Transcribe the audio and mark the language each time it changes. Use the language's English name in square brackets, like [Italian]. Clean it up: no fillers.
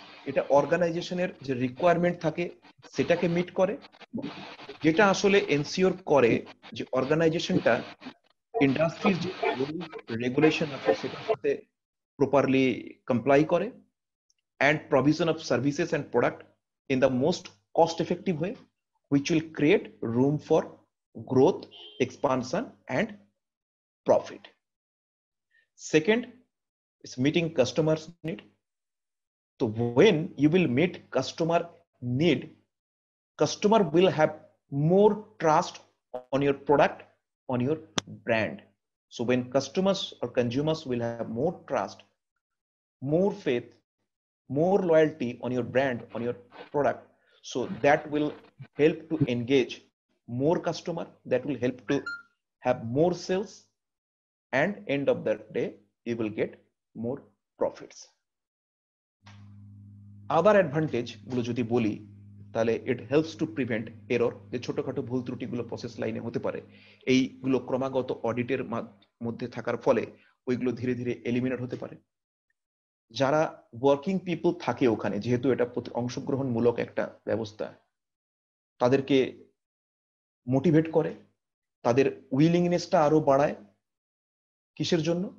[Bangla] এটা অর্গানাইজেশনের যে রিকোয়ারমেন্ট থাকে সেটাকে মিট করে, যেটা আসলে এনসিওর করে যে অর্গানাইজেশনটা ইন্ডাস্ট্রির যে রেগুলেশন আছে সেটার সাথে প্রপারলি কমপ্লাই করে, [English] And provision of services and product in the most cost effective হয়ে, which will create room for growth, expansion and profit. Second is meeting customers need. So when you will meet customer need, customer will have more trust on your product, on your brand. So when customers or consumers will have more trust, more faith, more loyalty on your brand, on your product, so that will help to engage more customer, that will help to have more sales, and end of the day you will get more profits. [Bangla] Other advantage গুলো যদি বলি তাহলে [English] it helps to prevent error, [Bangla] যে ছোটখাটো ভুল ত্রুটিগুলো process লাইনে হতে পারে, এইগুলো ক্রমাগত অডিটের মধ্যে থাকার ফলে ওইগুলো ধীরে ধীরে এলিমিনেট হতে পারে। যারা ওয়ার্কিং পিপল থাকে ওখানে, যেহেতু এটা অংশগ্রহণমূলক একটা ব্যবস্থা, তাদেরকে মোটিভেট করে, তাদের উইলিংনেসটা আরো বাড়ায়। কিসের জন্য?